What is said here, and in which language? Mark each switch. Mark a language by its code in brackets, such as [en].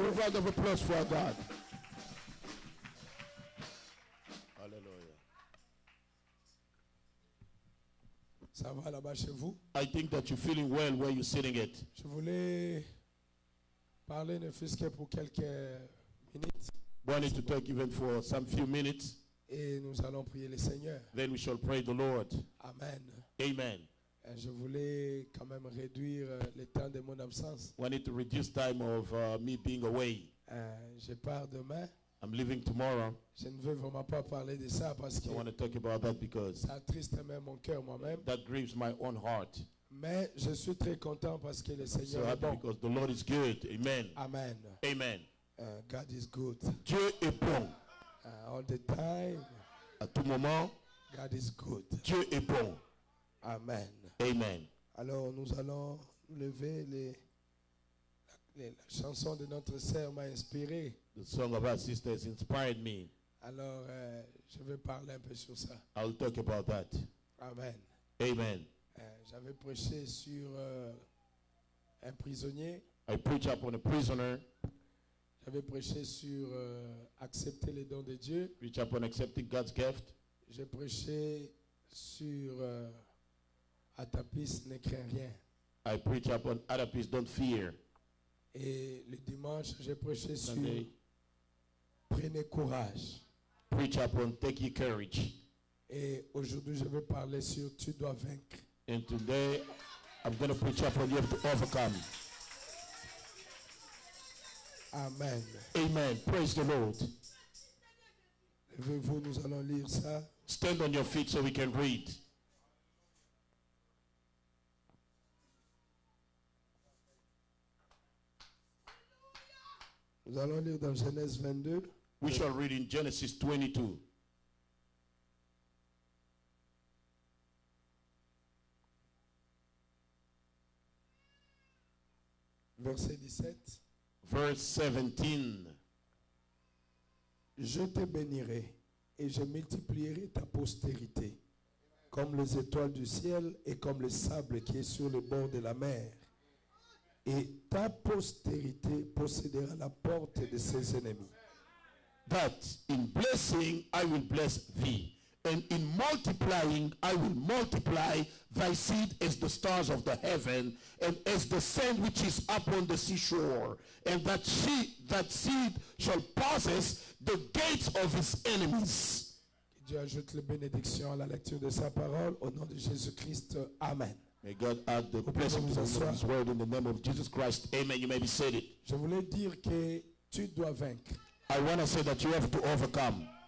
[en] Give a round of applause for our God. [fr] Alléluia. Ça va là-bas chez vous? [en] I think that you're feeling well where you're sitting at. [fr] Je voulais parler ne fût-ce que pour quelques minutes. [en] Wanted to talk even for some few minutes. [fr] Et nous allons prier le Seigneur. [en] Then we shall pray the Lord. Amen. Amen. [fr] Et je voulais quand même réduire le temps de mon absence. [en] Wanted to reduce time of me being away. [fr] Je pars demain. [en] I'm leaving tomorrow. [fr] Je ne veux vraiment pas parler de ça parce que. [en] I want to talk about that because. [fr] Ça attriste même mon cœur moi-même. [en] That grieves my own heart. [fr] Mais je suis très content parce que le Seigneur [en] so [fr] est bon. [en] Because the Lord is good. Amen. Amen. Amen. God is good. [fr] Dieu est bon. [en] All the time. [fr] À tout moment. [en] God is good. [fr] Dieu est bon. [en] Amen. Amen. [fr] Alors nous allons lever la chanson de notre sœur m'a inspiré. [en] The song of our sister has inspired me. [fr] Alors je vais parler un peu sur ça. [en] I'll talk about that. Amen. Amen. [fr] J'avais prêché sur un prisonnier. [en] I preach upon a prisoner. [fr] J'avais prêché sur accepter les dons de Dieu. [en] Preach upon accepting God's gift. [fr] J'ai prêché sur Atapis, ne crains rien. [en] I preach upon Atapis, don't fear. [fr] Et le dimanche, j'ai prêché sur prenez courage. [en] Preach upon take your courage. [fr] Et aujourd'hui, je vais parler sur tu dois vaincre. [en] And today, I'm going to preach upon you have to overcome. Amen. Amen. Praise the Lord. [fr] Levez-vous, nous allons lire ça. [en] Stand on your feet so we can read. [fr] Nous allons lire dans Genèse 22. [en] We shall read in Genesis 22. [fr] Verset 17. [en] Verse 17. [fr] Je te bénirai et je multiplierai ta postérité comme les étoiles du ciel et comme le sable qui est sur le bord de la mer. Et ta postérité possédera la porte de ses ennemis. [en] That in blessing I will bless thee, and in multiplying I will multiply thy seed as the stars of the heaven and as the sand which is upon the seashore, and that that seed shall possess the gates of his enemies. [fr] Que Dieu ajoute les bénédictions à la lecture de sa parole au nom de Jésus-Christ. Amen. [en] May God add the blessing to his word in the name of Jesus Christ. Amen. You may be seated. [fr] Je voulais dire que tu dois vaincre. [en] I want to say that you have to overcome.